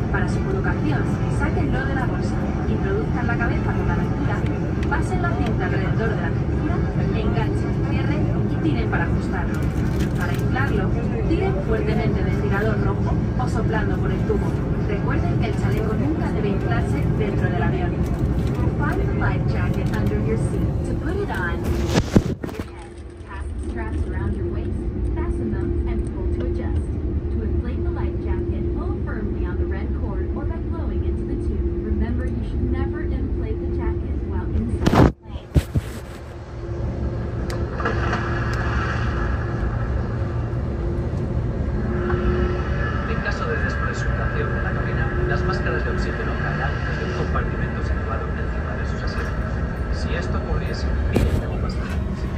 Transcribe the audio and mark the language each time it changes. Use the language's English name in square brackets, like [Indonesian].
[Spanish] Para su colocación, sáquenlo de la bolsa, introduzcan la cabeza por la altura, pasen la cinta alrededor de la cintura, enganchen, cierren y tiren para ajustarlo. Para inflarlo, tiren fuertemente del tirador rojo o soplando por el tubo. Recuerden que el chaleco nunca debe inflarse dentro del avión. [English] Find the life jacket under your seat. To put it on, pass the straps around your waist, fasten them, and pull to adjust. To inflate the life jacket, pull firmly on the red cord or by blowing into the tube. Remember, you should never inflate the jacket while inside the plane. [Spanish] En caso de despresurización de la cabina, las máscaras de oxígeno caerán desde un compartimento situado encima de sus asientos. Si esto ocurriese, miren cómo pasaría.